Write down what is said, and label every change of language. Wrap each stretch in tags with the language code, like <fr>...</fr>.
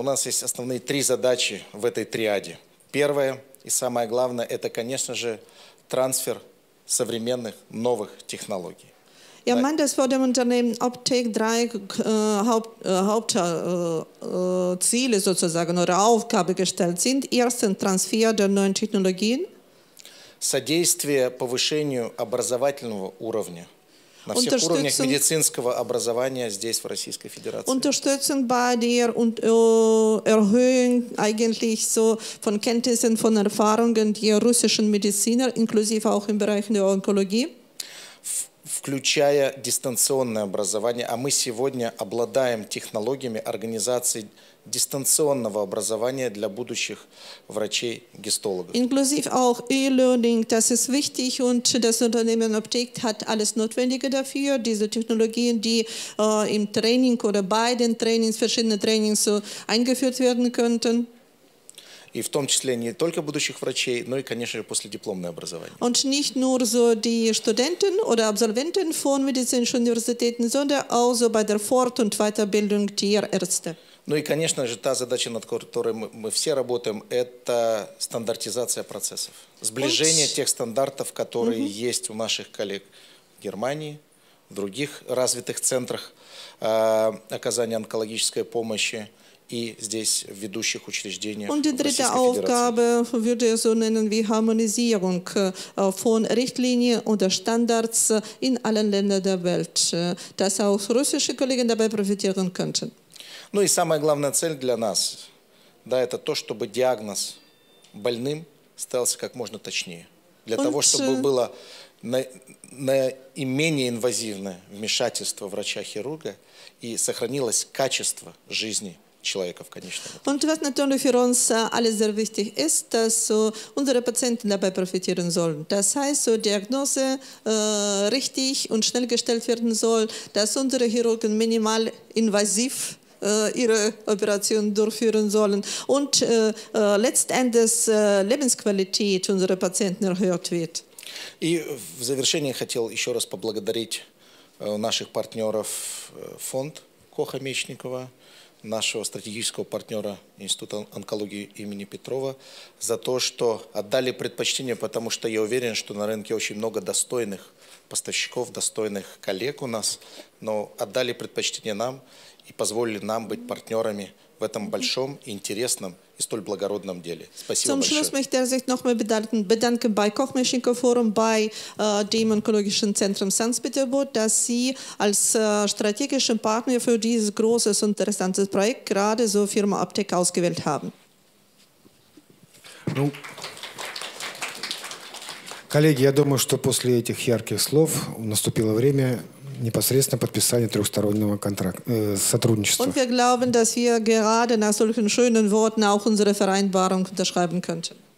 <ru>У нас есть основные три задачи в этой триаде. Первое и самое главное – это, конечно же, трансфер современных новых технологий.</ru> <de>Я meint es vor dem Unternehmen Optik drei Hauptziele sozusagen oder Aufgabe gestellt sind. Erstens Transfer der neuen Technologien.</de> <ru>Содействие повышению образовательного уровня на всех уровнях медицинского образования здесь в Российской Федерации.</ru> <de>Unterstützen bei der Erhöhung eigentlich so von Kenntnissen von Erfahrungen der russischen Mediziner inklusive auch im Bereich der Onkologie.</de> <ru>Включая дистанционное образование, а мы сегодня обладаем технологиями организации дистанционного образования для будущих врачей-гистологов.</ru> <de>Inclusive auch e-learning, das ist wichtig und das Unternehmen Optik hat alles Notwendige dafür, diese Technologien, die im Training oder bei den Trainings, verschiedene Trainings so eingeführt werden könnten.</de> <ru>И в том числе не только будущих врачей, но и, конечно же, последипломное образование.</ru> <de>Und nicht nur so die Studenten oder Absolventen von medizinischen Universitäten, sondern auch so bei der Fort- und Weiterbildung der Ärzte.</de> <ru>Ну и, конечно же, та задача, над которой мы все работаем, это стандартизация процессов. Сближение тех стандартов, которые есть у наших коллег в Германии, в других развитых центрах оказания онкологической помощи. И здесь в ведущих учреждениях Российской Федерации.</ru> <de>Und die dritte Aufgabe würde ich so nennen wie Harmonisierung von Richtlinien oder Standards in allen Ländern der Welt, dass auch russische Kollegen dabei profitieren könnten.</de> <ru>Ну и самая главная цель для нас, да, это то, чтобы диагноз больным ставился как можно точнее, для того, чтобы было наименее инвазивное вмешательство врача-хирурга и сохранилось качество жизни.</ru> <de>Und was natürlich für uns alles sehr wichtig ist, dass so unsere Patienten dabei profitieren sollen. Das heißt, so Diagnose richtig und schnell gestellt werden soll, dass unsere Chirurgen minimal invasiv ihre Operationen durchführen sollen und letztendlich Lebensqualität unserer Patienten erhöht wird.</de> <ru>И в завершение хотел еще раз поблагодарить наших партнеров фонд Коха-Мечникова. Нашего стратегического партнера Института онкологии имени Петрова за то, что отдали предпочтение, потому что я уверен, что на рынке очень много достойных поставщиков, достойных коллег у нас, но отдали предпочтение нам и позволили нам быть партнерами в этом большом, интересном и столь благородном деле. Спасибо большое.</ru> <de>Zum Schluss möchte er sich noch mal bedanken bei Koch-Mechnikov Forum, bei dem Onkologischen Zentrum Sankt-Peterburg, dass Sie als strategischen Partner für dieses großes, interessantes Projekt gerade so Firma Optik ausgewählt haben.</de> <ru>Ну, коллеги, я думаю, что после этих ярких слов наступило время непосредственно подписание трехстороннего сотрудничества.</ru> <de>Und wir glauben, dass wir gerade nach solchen schönen Worten auch unsere Vereinbarung unterschreiben könnten.</de>